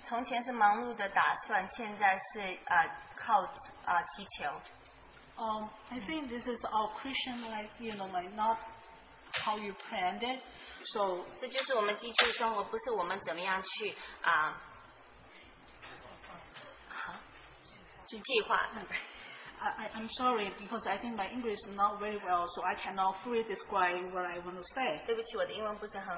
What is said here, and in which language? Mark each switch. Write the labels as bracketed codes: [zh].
[zh] 从前是忙碌的打算 现在是 靠 祈求 [en] I think this is our Christian life, you know, like not how you planned it. So, [zh] 这就是我们基督生活，不是我们怎么样去 计划。 [en] I'm sorry because I think my English is not very well, so I cannot fully describe what I want to say.